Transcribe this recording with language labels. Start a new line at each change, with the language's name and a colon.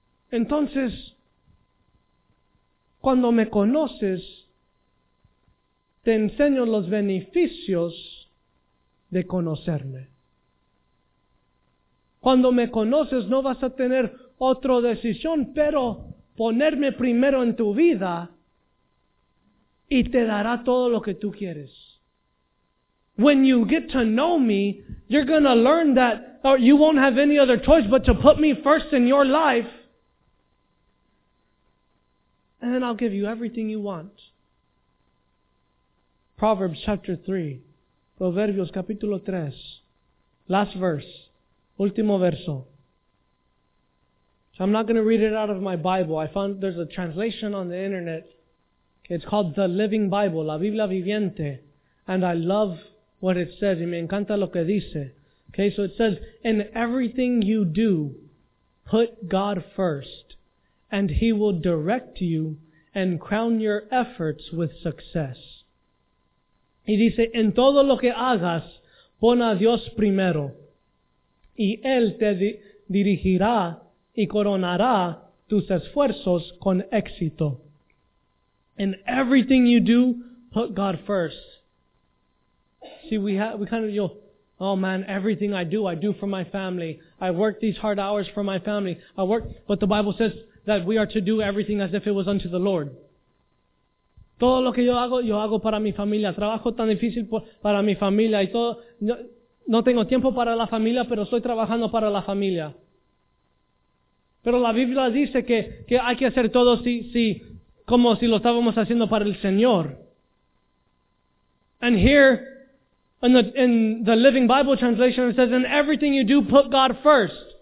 Spanish: Entonces, cuando me conoces, te enseño los beneficios de conocerme. Cuando me conoces, no vas a tener otra decisión, pero ponerme primero en tu vida y te dará todo lo que tú quieres.
English: When you get to know me, you're going to learn that, or you won't have any other choice but to put me first in your life, and then I'll give you everything you want. Proverbs chapter 3,
Spanish: Proverbios capítulo 3,
English: last verse,
Spanish: último verso.
English: So I'm not going to read it out of my Bible. I found there's a translation on the internet. It's called The Living Bible, La Biblia Viviente. And I love what it says.
Spanish: Y me encanta lo que dice.
English: Okay, so it says, in everything you do, put God first, and He will direct you and crown your efforts with success.
Spanish: Y dice, en todo lo que hagas, pon a Dios primero, y Él te dirigirá y coronará tus esfuerzos con éxito.
English: In everything you do, put God first. See, everything I do for my family. I work these hard hours for my family. I work, but the Bible says that we are to do everything as if it was unto the Lord.
Spanish: Todo lo que yo hago para mi familia. Trabajo tan difícil para mi familia. Y todo, no tengo tiempo para la familia, pero estoy trabajando para la familia. Pero la Biblia dice que hay que hacer todo como si lo estábamos haciendo para el Señor.
English: And here, in the Living Bible translation, it says, in everything you do, put God first.